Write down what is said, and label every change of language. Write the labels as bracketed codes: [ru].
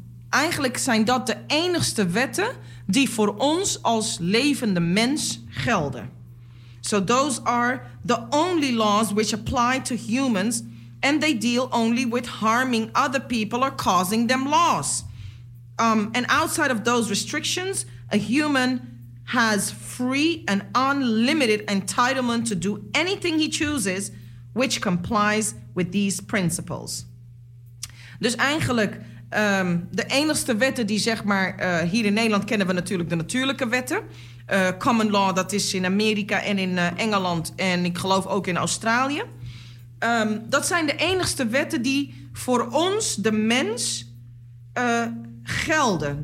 [nl] Eigenlijk zijn dat de enigste wetten die voor ons als levende mens gelden. [en] So those are the only laws which apply to humans and they deal only with harming other people or causing them loss. And outside of those restrictions, a human has free and unlimited entitlement to do anything he chooses which complies with these principles. [nl] Dus eigenlijk... De enigste wetten die zeg maar... hier in Nederland kennen we natuurlijk de natuurlijke wetten. Common law, dat is in Amerika en in Engeland. En ik geloof ook in Australië. Dat zijn de enigste wetten die voor ons, de mens, gelden.